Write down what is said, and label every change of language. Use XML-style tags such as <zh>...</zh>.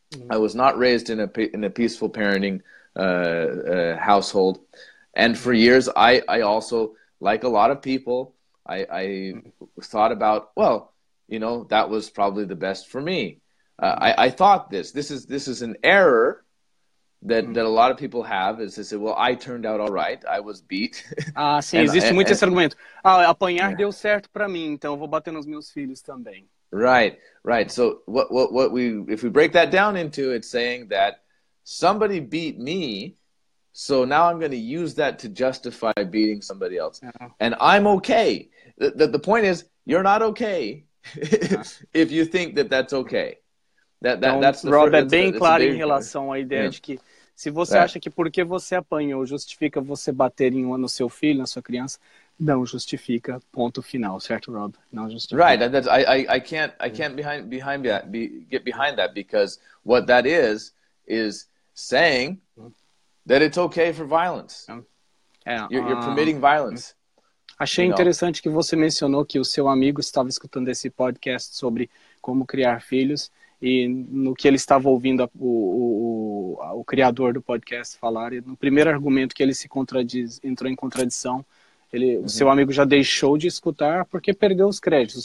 <en>I was not raised in a peaceful parenting household, and for years I also, like a lot of people, I thought about, well, you know, that was probably the best for me. I thought this is an error that a lot of people have, is to say, well, I turned out all right, I was beat.</en> <pt>Ah, sim, existe muito esse argumento. Ah, apanhar deu certo para mim, então vou bater nos meus filhos também.</pt> <en>Right. So what we break that down into, it's saying that somebody beat me, so now I'm going to use that to justify beating somebody else. Uh-huh. And I'm okay. The point is, you're not okay if you think that that's okay.</en> <pt>Rob, bem claro em relação à ideia de que se você acha que porque você apanhou justifica você bater em no seu filho, na sua criança, não justifica, ponto final, certo, Rob? Não justifica.</pt> <en>Right, that's, I can't behind that, get behind that, because what that is saying that it's okay for violence. You're permitting violence.</en> <pt>Achei interessante que você mencionou que o seu amigo estava escutando esse podcast sobre como criar filhos. E no que ele estava ouvindo o criador do podcast falar, no primeiro argumento que ele se contradiz, entrou em contradição, ele, uhum, o seu amigo já deixou de escutar porque perdeu os créditos.</pt>